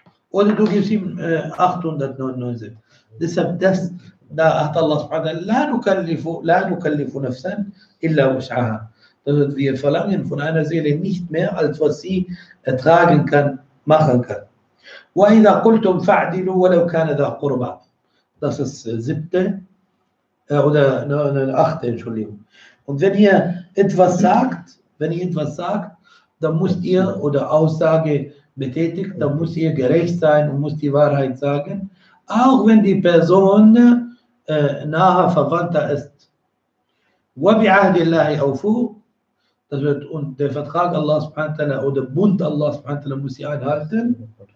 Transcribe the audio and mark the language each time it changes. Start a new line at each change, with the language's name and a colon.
German: Oder du gibst ihm 899. Deshalb, das, da hat Allah subhanahu wa ta'ala,
Arabic: la nukallifu nafsan illa wus'aha.
German: Wir verlangen von einer Seele nicht mehr, als was sie ertragen kann, machen kann.
Arabic: وَإِذَا قُلْتُمْ فَعْدِلُوا وَلَوْ كَانَ ذَا قُرْبَى,
German: das ist siebte, oder achte, Entschuldigung. Und wenn ihr etwas sagt, dann müsst ihr, oder Aussage betätigt, dann müsst ihr gerecht sein und müsst die Wahrheit sagen, auch wenn die Person nahe Verwandter ist.
Arabic: وَبِعَهْدِ اللَّهِ أَوْفُوا,
German: das wird, und der Vertrag Allah subhanahu wa ta'ala oder Bund Allah subhanahu wa ta'ala muss sie einhalten.